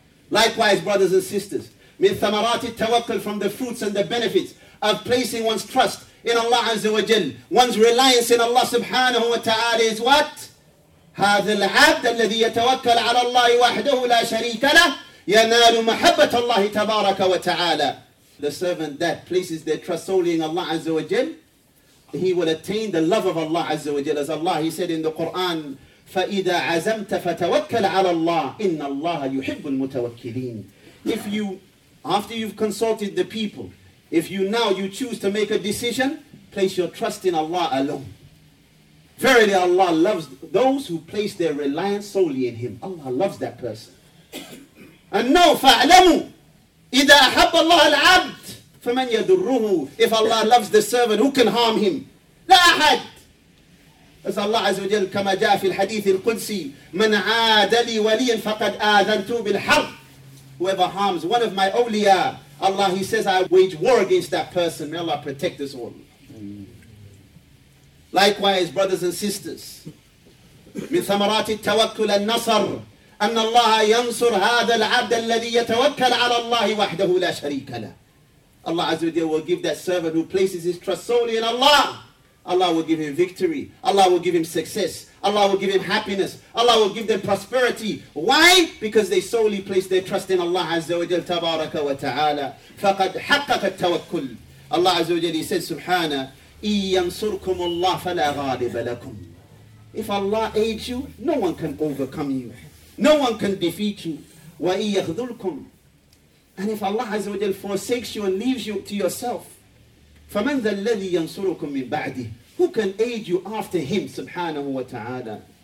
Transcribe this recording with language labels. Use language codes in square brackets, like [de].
[en] Likewise, brothers and sisters, [ar] min thamarati tawakkul, [en] from the fruits and the benefits of placing one's trust in Allah Azza wa Jal, one's reliance in Allah Subhanahu wa Ta'ala is what? [ar] هَذَا الْعَبْدَ الَّذِي يَتَوَكَّلَ عَلَى اللَّهِ وَحْدَهُ لَا شَرِيكَ لَهُ يَنَالُ مَحَبَّةَ اللَّهِ تَبَارَكَ وَتَعَالَى. [en] The servant that places their trust solely in Allah Azza wa Jal, he will attain the love of Allah Azza wa Jal. As Allah, he said in the Quran, [ar] فَإِذَا عَزَمْتَ فَتَوَكَّلْ عَلَى اللَّهِ إِنَّ اللَّهَ يُحِبُّ الْمُتَوَكِّلِينَ. [en] If you, after you've consulted the people, if you now you choose to make a decision, place your trust in Allah alone. Verily Allah loves those who place their reliance solely in Him. Allah loves that person. And now, [ar] فَأَعْلَمُوا إِذَا أَحَبَّ اللَّهَ الْعَبْدِ فَمَنْ يَدُرُّهُ. [en] If Allah loves the servant, who can harm him? [ar] لا أحد. As Allah Azza wa Jal, كما جاء في الحديث القدسي, مَنْ عَادَ لِي وَلِيًا فَقَدْ آذَنْتُ بِالْحَرْبِ. [en] Whoever harms one of my awliya, Allah, He says, I wage war against that person. May Allah protect us all. Likewise, brothers and sisters, [ar] من ثمرات التوكل النصر أن الله ينصر هذا العبد الذي يتوكل على الله وحده لا شريك له. [en] Allah Azza wa Jalla will give that servant who places his trust solely in Allah, Allah will give him victory, Allah will give him success, Allah will give him happiness, Allah will give them prosperity. Why? Because they solely place their trust in Allah Azza wa Jalla, [ar] تبارك وتعالى. فقد حقق التوكل. Allah Azza wa Jalla says, سبحانه, إِيَّنْصُرْكُمُ اللَّهُ فَلَا غَالِبَ لَكُمْ. [en] If Allah aids you, no one can overcome you. No one can defeat you. [ar] وَإِيَّخْذُلْكُمْ. [en] And if Allah Azza wa Jal forsakes you and leaves you to yourself, [ar] فَمَنْ ذَا الَّذِي يَنْصُرُكُمْ مِنْ بَعْدِهِ. [en] Who can aid you after him, subhanahu wa ta'ala.